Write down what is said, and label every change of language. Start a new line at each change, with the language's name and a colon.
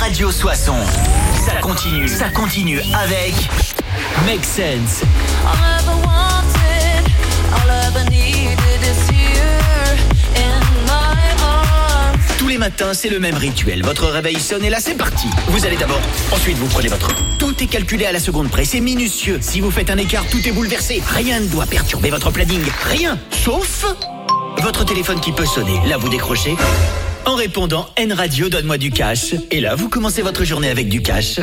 French: Soissons, ça continue avec Make Sense.
English: All I ever wanted, all I ever needed is you in my arms.
French: Tous les matins, c'est le même rituel. Votre réveil sonne et là, c'est parti. Vous allez d'abord, ensuite vous prenez votre... Tout est calculé à la seconde près, c'est minutieux. Si vous faites un écart, tout est bouleversé. Rien ne doit perturber votre planning. Rien, sauf... Votre téléphone qui peut sonner. Là, vous décrochez... En répondant, N Radio, donne-moi du cash. Et là, vous commencez votre journée avec du cash.